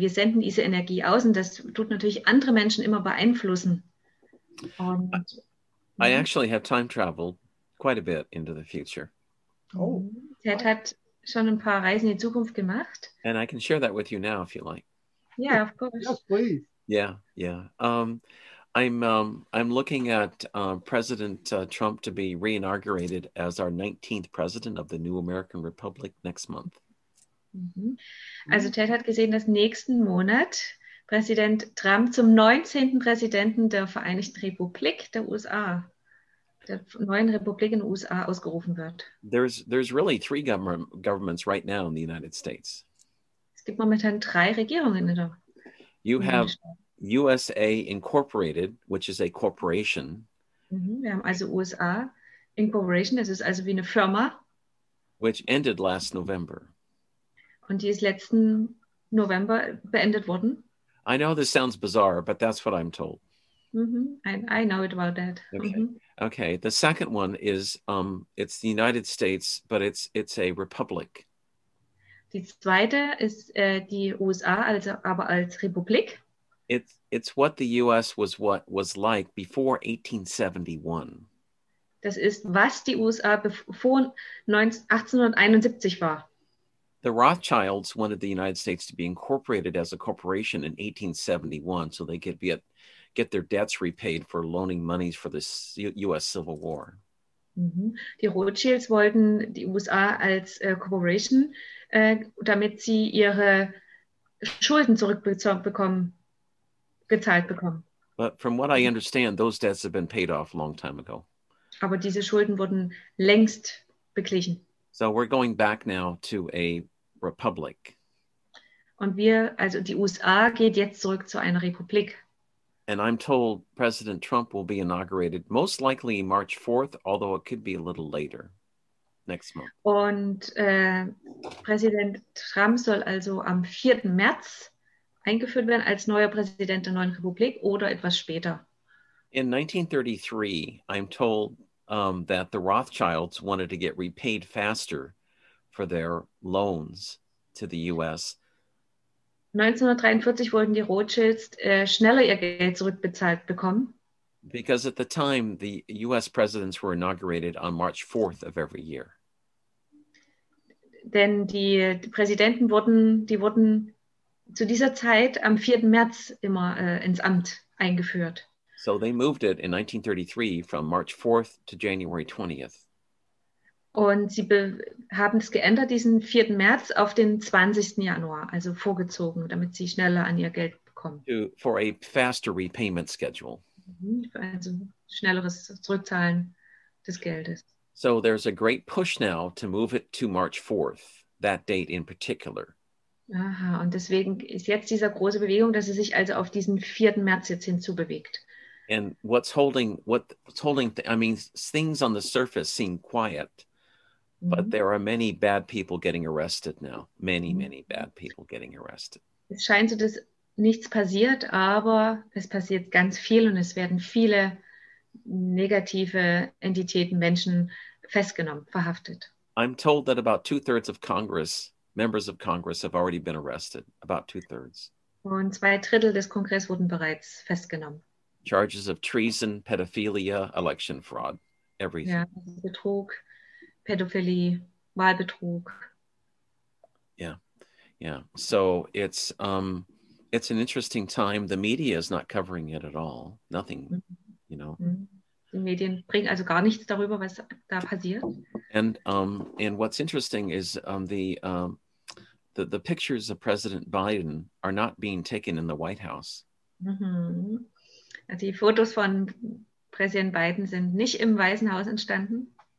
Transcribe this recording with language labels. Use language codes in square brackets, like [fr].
[de] Wir senden diese Energie aus, und das tut natürlich andere Menschen immer beeinflussen. Und, [en] I actually have time traveled quite a bit into the future. Oh. [de] Ted hat schon ein paar Reisen in die Zukunft gemacht. [en] And I can share that with you now if you like. Yeah, of course. Yes, please. Yeah, yeah. I'm looking at President Trump to be re-inaugurated as our 19th president of the new American Republic next month. Mm-hmm. [de] Also Ted hat gesehen, dass nächsten Monat Präsident Trump zum 19. Präsidenten der Vereinigten Republik der USA, der neuen Republik in den USA ausgerufen wird. [en] There's really three governments right now in the United States. [de] Es gibt momentan drei Regierungen in der [en] You have USA Incorporated, which is a corporation. Mm-hmm. [de] Wir haben also USA Incorporation, das ist also wie eine Firma. [en] Which ended last November. [de] Und die ist letzten November beendet worden. [en] I know this sounds bizarre, but that's what I'm told. Mm-hmm. I know it about that. Okay. Mm-hmm. Okay. The second one is it's the United States, but it's a republic. [de] Die zweite ist die USA, also aber als Republik. [en] It's what the U.S. was like before 1871. [de] Das ist, was die USA vor 1871 war. [en] The Rothschilds wanted the United States to be incorporated as a corporation in 1871 so they could get their debts repaid for loaning monies for the U.S. Civil War. Mm-hmm. [de] Die Rothschilds wollten die USA als Corporation, damit sie ihre Schulden zurückbekommen. Gezahlt bekommen. [en] But from what I understand, those debts have been paid off a long time ago. [de] Aber diese Schulden wurden längst beglichen. [en] So we're going back now to a republic. [de] Und also die USA geht jetzt zurück zu einer Republik. [en] And I'm told President Trump will be inaugurated most likely March 4th, although it could be a little later, next month. [de] Und Präsident Trump soll also am 4. März eingeführt werden als neuer Präsident der neuen Republik oder etwas später. [en] In 1933, I'm told that the Rothschilds wanted to get repaid faster for their loans to the U.S. [de] 1943 wollten die Rothschilds schneller ihr Geld zurückbezahlt bekommen. [en] Because at the time, the U.S. presidents were inaugurated on March 4th of every year. [de] Denn die Präsidenten wurden zu dieser Zeit am 4. März immer ins Amt eingeführt. [en] So they moved it in 1933 from March 4th to January 20th. [de] Und sie haben es geändert, diesen 4. März auf den 20. Januar, also vorgezogen, damit sie schneller an ihr Geld bekommen. [en] For a faster repayment schedule. [de] Also schnelleres Zurückzahlen des Geldes. [en] So there's a great push now to move it to March 4th, that date in particular. [de] Aha, und deswegen ist jetzt dieser große Bewegung, dass sie sich also auf diesen 4. März jetzt hinzubewegt. [en] And what's holding, I mean, things on the surface seem quiet, mm-hmm. but there are many bad people getting arrested now. Many, many bad people getting arrested. [de] Es scheint so, dass nichts passiert, aber es passiert ganz viel und es werden viele negative Entitäten, Menschen festgenommen, verhaftet. [en] I'm told that about 2/3 of Congress members of Congress have already been arrested, about 2/3. [de] Und 2/3 des Kongress wurden bereits festgenommen. [en] Charges of treason, pedophilia, election fraud, everything. [de] Ja, Betrug, Pädophilie, Wahlbetrug. [en] Yeah, yeah. So it's an interesting time. The media is not covering it at all. Nothing, you know. [de] Die Medien bringen also gar nichts darüber, was da passiert. [en] And what's interesting is the pictures of President Biden are not being taken in the White House. Mm-hmm. [de] Die Fotos von Präsident Biden sind nicht im Weißen Haus entstanden.